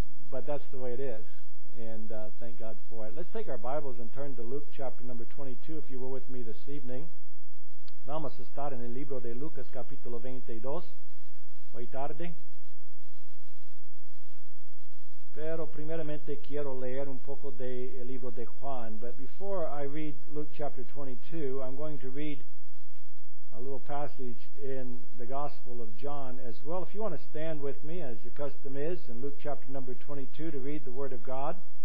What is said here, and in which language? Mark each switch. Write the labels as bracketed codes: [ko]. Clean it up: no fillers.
[en] But that's the way it is, and thank God for it. Let's take our Bibles and turn to Luke chapter number 22, if you were with me this evening. [es] Vamos a estar en el libro de Lucas capítulo 22 hoy tarde. Pero primeramente quiero leer un poco del libro de Juan. [en] But before I read Luke chapter 22, I'm going to read a little passage in the Gospel of John as well. If you want to stand with me, as your custom is, in Luke chapter number 22 to read the Word of God.